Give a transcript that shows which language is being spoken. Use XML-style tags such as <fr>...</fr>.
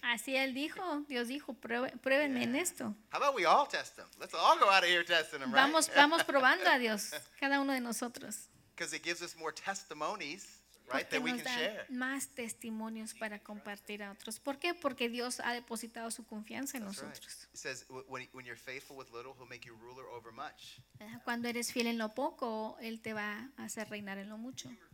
<es>Así él dijo, Dios dijo, pruébenme en esto.</es> <en>How about we all test him? Let's all go out of here testing him, right?</en> <es>Vamos probando a Dios, cada uno de nosotros.</es> <en>Because it gives us more testimonies, right, that we can share.</en> <es>Porque nos da más testimonios para compartir a otros. ¿Por qué? Porque Dios ha depositado su confianza en nosotros.</es> <en>He says, when you're faithful with little, he'll make you ruler over much.</en> <es>Cuando eres fiel en lo poco, él te va a hacer reinar en lo mucho.</es>